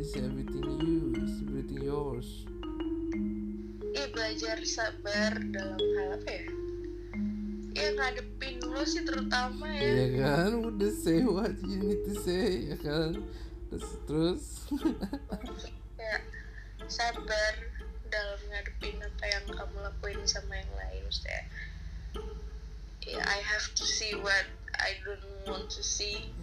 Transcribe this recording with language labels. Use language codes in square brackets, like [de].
[en] It's everything you, it's everything yours. [id] Iya, belajar sabar dalam hal apa ya? Ya ngadepin lo sih terutama ya. Iya kan, udah [en] say what you need to say. [id] Ya kan. Terus ya, sabar dalam ngadepin apa yang kamu lakuin sama yang lain. [en] Maksudnya yeah, I have to see what I don't want to see.